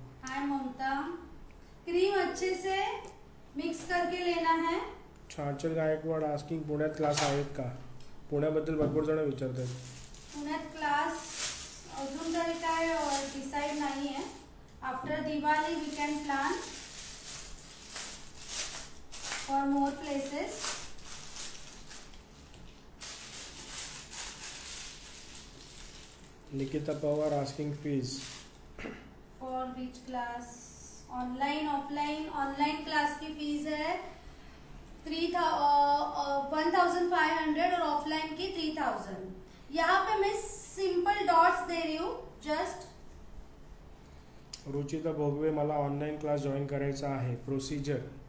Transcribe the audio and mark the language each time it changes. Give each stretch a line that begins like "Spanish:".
Hindi: हाय ममता, cream अच्छे से mix करके लेना है।
Marathi: चांचल गायकवाड आस्किंग पुण्यात क्लास आहेत का? पुण्याबद्दल भरपूर जण विचारतात। पुण्यात क्लास अजून तरी काय डिसाइड नाही आहे,
English: After Diwali we can plan for more places. Nikita Pawar asking fees for which class? Online offline?
Hindi: Online class की फीस है 1500 और ऑफलाइन की 3000। यहाँ पे मैं सिंपल डॉट्स दे रही हूँ जस्ट।
Marathi: रुचिता भोगवे मला ऑनलाइन क्लास जॉइन करायचा आहे, प्रोसिजर?